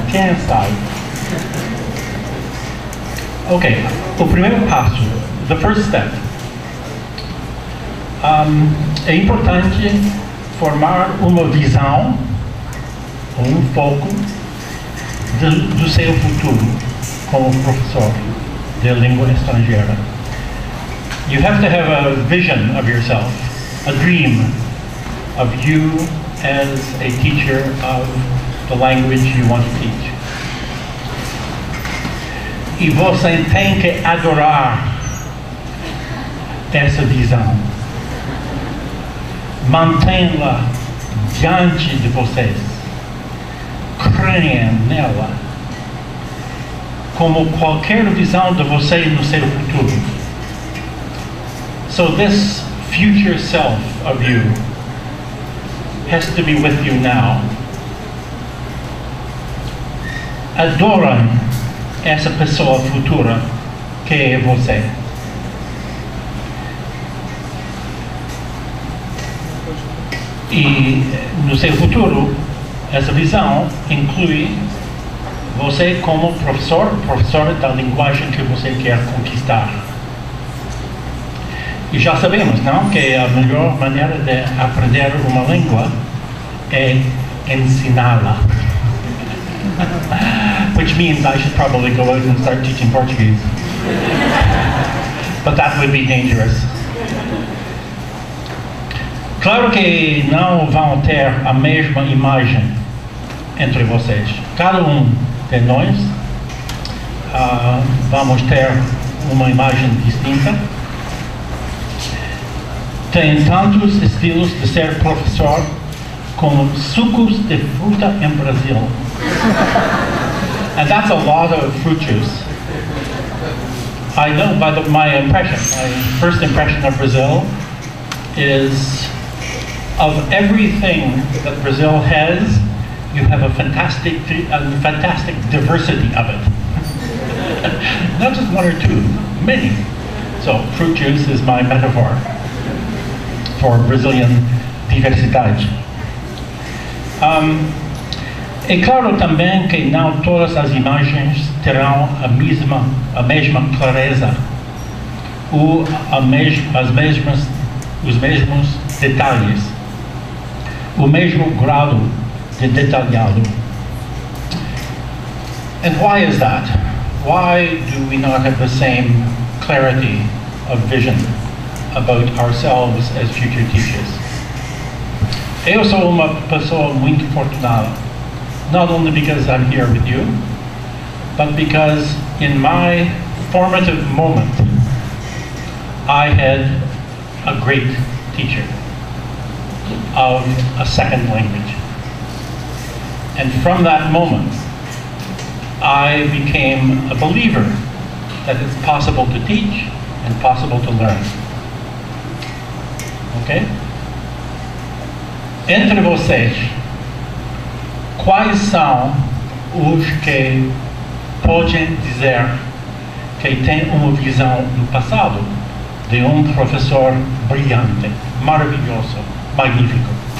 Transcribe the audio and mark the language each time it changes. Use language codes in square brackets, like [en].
[pt] Quem sabe? Ok, o primeiro passo, [en] the first step. [pt] É importante formar uma visão, um foco, do seu futuro como professor de língua estrangeira. [en] You have to have a vision of yourself, a dream of you as a teacher of the language you want to teach. [pt] E você tem que adorar essa visão. Mantenha-la diante de vocês. Creia nela. Como qualquer visão de vocês no seu futuro. [en] So this future self of you has to be with you now. [pt] Adorem essa pessoa futura que é você. E no seu futuro, essa visão inclui você como professor, professora da linguagem que você quer conquistar. E já sabemos, não, que a melhor maneira de aprender uma língua é ensiná-la. [en] Which means I should probably go out and start teaching Portuguese. But that would be dangerous. [pt] Claro que não vão ter a mesma imagem entre vocês. Cada de nós vamos ter uma imagem distinta. Tem tantos estilos de ser professor como sucos de fruta em Brasil. [en] And that's a lot of fruit juice. I know, by the, my first impression of Brazil is of everything that Brazil has, you have a fantastic diversity of it. Not just one or two, many. So fruit juice is my metaphor for Brazilian diversidade. [pt] É claro também que não todas as imagens terão a mesma clareza ou os mesmos detalhes, o mesmo grau de detalhado. [en] And why is that? Why do we not have the same clarity of vision about ourselves as future teachers? [pt] Eu sou uma pessoa muito afortunada, [en] not only because I'm here with you, but because in my formative moment, I had a great teacher of a second language. And from that moment, I became a believer that it's possible to teach and possible to learn. Okay? [pt] Entre vocês, quais são os que podem dizer que têm uma visão do passado de professor brilhante, maravilhoso, magnífico?